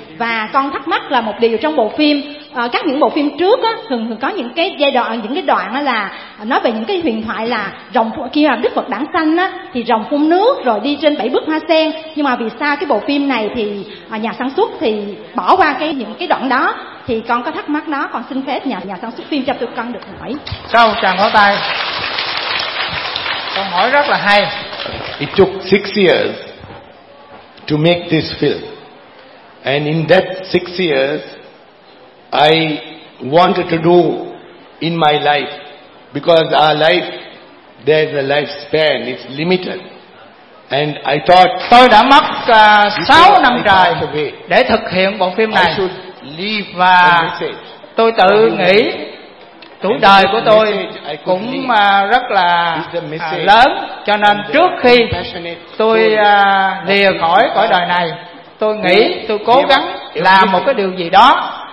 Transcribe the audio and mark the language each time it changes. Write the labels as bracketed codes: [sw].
[vi] Và con thắc mắc là một điều trong bộ phim, các những bộ phim trước thường có những cái giai đoạn, những cái đoạn là nói về những cái huyền thoại là rồng khi mà Đức Phật đản sanh thì rồng phun nước rồi đi trên bảy bức hoa sen, nhưng mà vì sao cái bộ phim này thì nhà sản xuất thì bỏ qua những cái đoạn đó, thì con có thắc mắc đó. Con xin phép nhà sản xuất phim cho tụi con được hỏi. Sau tràng pháo tay. Câu hỏi rất là hay. [en] It took 6 years to make this film, and in that 6 years, I wanted to do in my life, because our life, there's a lifespan, it's limited. And I thought, [vi] tôi đã mất 6 năm trời để thực hiện bộ phim này, và tôi tự nghĩ tuổi đời của tôi cũng rất là lớn, cho nên trước khi tôi lìa khỏi cõi đời này, tôi nghĩ tôi cố gắng làm một cái điều gì đó